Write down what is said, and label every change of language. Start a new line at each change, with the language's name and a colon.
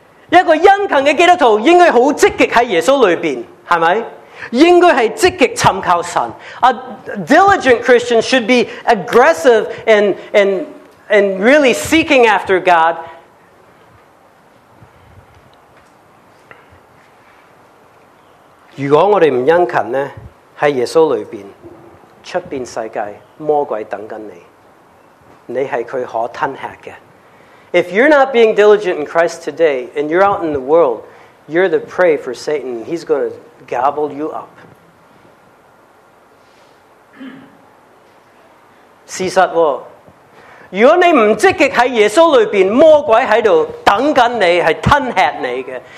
Cantonese: 一个殷勤嘅基督徒应该好积极喺耶稣里边，系咪？应该是积极寻求神。
English: A diligent Christian should be aggressive and really seeking after God.
Cantonese: 如果我们不殷勤呢，在耶稣里面，出面世界魔鬼等着你，你是他可吞吃的。
English: If you're not being diligent in Christ today and you're out in the world, you're the prey for Satan. He's going toGobble you up.
Cantonese: 事实哦，如果你唔积极喺耶稣里边，魔鬼喺度等紧你，系吞吃你嘅。